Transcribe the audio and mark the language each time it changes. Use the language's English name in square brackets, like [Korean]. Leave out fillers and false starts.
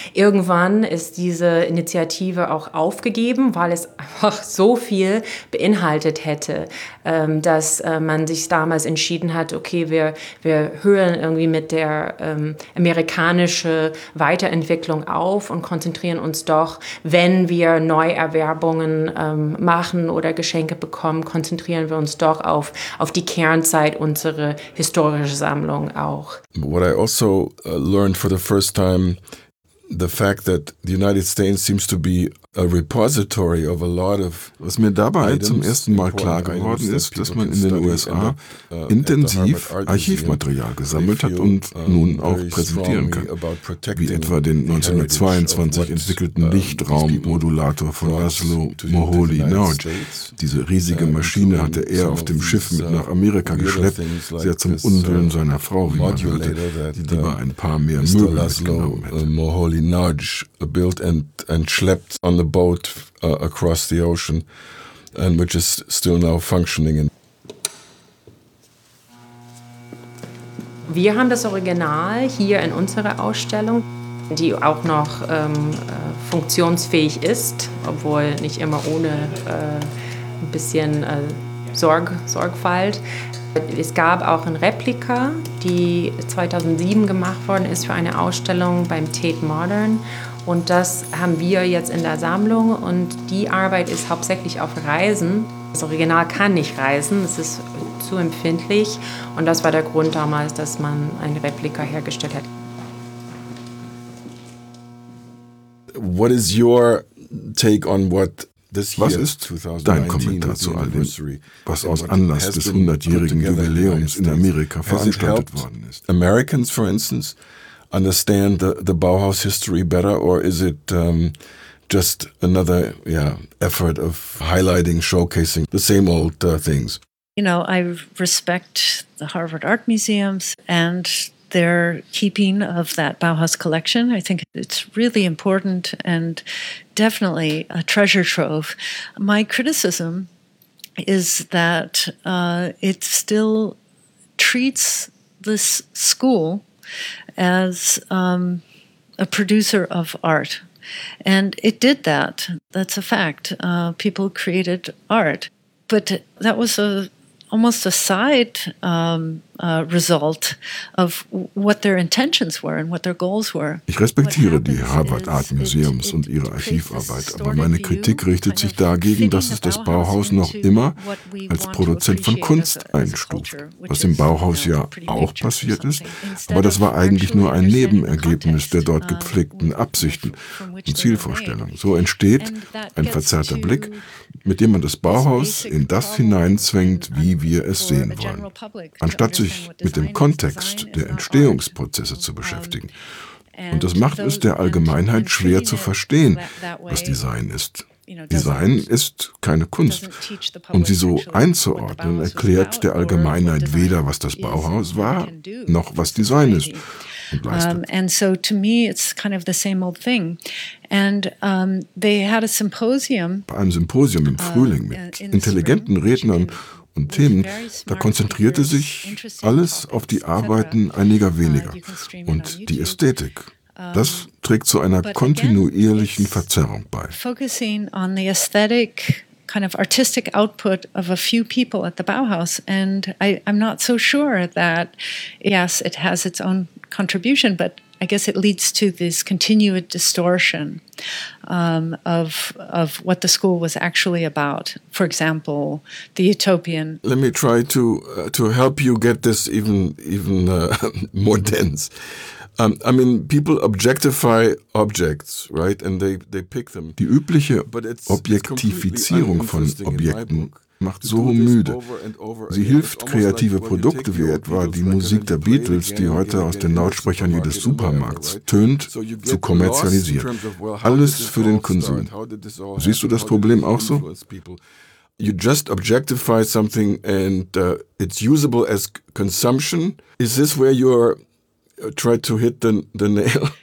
[German] Irgendwann ist diese Initiative auch aufgegeben, weil es einfach so viel beinhaltet hätte, dass man sich damals entschieden hat, okay, wir hören irgendwie mit der amerikanischen Weiterentwicklung auf und konzentrieren uns doch, wenn wir Neuerwerbungen machen oder Geschenke bekommen, konzentrieren wir uns doch auf die Kernzeit und unsere historische Sammlung auch. [English] What I also learned for the first time, the fact that the United States seems to be a repository of a lot of. [German] Was mir dabei zum ersten Mal klar geworden ist, dass man in den USA intensiv Archivmaterial gesammelt hat und nun auch präsentieren kann, wie etwa den 1922 entwickelten Lichtraummodulator von Laszlo Moholy Nagy. Diese riesige Maschine hatte er auf dem Schiff mit nach Amerika geschleppt, sehr zum Unwillen seiner Frau, wie man hörte, die lieber ein paar mehr Möbel mitgenommen hätte. [English] Nudge built and schlepped on the boat across the ocean, and which is still now functioning. [German] Wir haben das Original hier in unserer Ausstellung, die auch noch funktionsfähig ist, obwohl nicht immer ohne ein bisschen Sorgfalt. Es gab auch eine Replika, die 2007 gemacht worden ist für eine Ausstellung beim Tate Modern. Und das haben wir jetzt in der Sammlung. Und die Arbeit ist hauptsächlich auf Reisen. Das Original kann nicht reisen, es ist zu empfindlich. Und das war der Grund damals, dass man eine Replika hergestellt hat. [English] What is your take on what this year, 2019, [German] dein Kommentar zu all dem, was aus Anlass des 100-jährigen Jubiläums in Amerika veranstaltet worden ist? [English] Americans, for instance, understand the Bauhaus history better, or is it just another effort of highlighting, showcasing the same old things? You know, I respect the Harvard Art Museums and their keeping of that Bauhaus collection. I think it's really important and definitely a treasure trove. My criticism is that it still treats this school as a producer of art. And it did that. That's a fact. People created art. But that was almost a side result of what their intentions were and what their goals were. [German] Ich respektiere die Harvard Art Museums und ihre Archivarbeit, aber meine Kritik richtet sich dagegen, dass es das Bauhaus noch immer als Produzent von Kunst einstuft, was im Bauhaus ja auch passiert ist, aber das war eigentlich nur ein Nebenergebnis der dort gepflegten Absichten und Zielvorstellungen. So entsteht ein verzerrter Blick, mit dem man das Bauhaus in das hineinzwängt, wie wir es sehen wollen. Anstatt sich mit dem Kontext der Entstehungsprozesse zu beschäftigen. Und das macht es der Allgemeinheit schwer zu verstehen, was Design ist. Design ist keine Kunst. Und sie so einzuordnen, erklärt der Allgemeinheit weder, was das Bauhaus war, noch was Design ist. [English] And so to me it's kind of the same old thing. And they had a symposium. [German] Bei einem Symposium im Frühling mit intelligenten Rednern und Themen, da konzentrierte sich alles auf die Arbeiten einiger weniger und die Ästhetik. Das trägt zu einer kontinuierlichen Verzerrung bei. [English] Focusing on the aesthetic kind of artistic output of a few people at the Bauhaus, and I'm not so sure that yes, it has its own contribution, but I guess it leads to this continued distortion of what the school was actually about. For example, the utopian. Let me try to help you get this even more dense. I mean, people objectify objects, right? And they pick them. [German] Die übliche Objektifizierung von Objekten macht so müde. Sie hilft kreative Produkte wie etwa die Musik der Beatles, die heute aus den Lautsprechern jedes Supermarkts tönt, zu kommerzialisieren. Alles für den Konsum. Siehst du das Problem auch so? [English] You just objectify something and it's usable as consumption. Is this where you're trying to hit the nail?